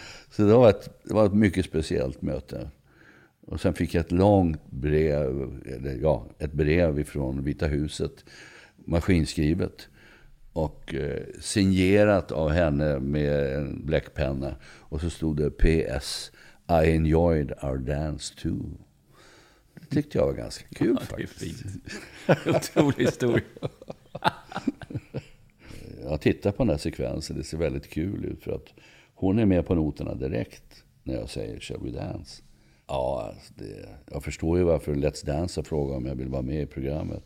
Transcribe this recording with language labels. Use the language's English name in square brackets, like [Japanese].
[Swedish] Så det var ett mycket speciellt möte. Och sen fick jag ett långt brev, eller ja, ett brev ifrån Vita huset, maskinskrivet och signerat av henne med en bläckpenna. Och så stod det PS, [English] I enjoyed our dance too. [Swedish] Det tyckte jag var ganska kul, ja, faktiskt. Det är otrolig historia. Jag tittar på den här sekvensen, det ser väldigt kul ut för att hon är med på noterna direkt när jag säger [English] shall we dance. [Swedish] Ja, det, jag förstår ju varför Let's Dance har frågat om jag vill vara med i programmet.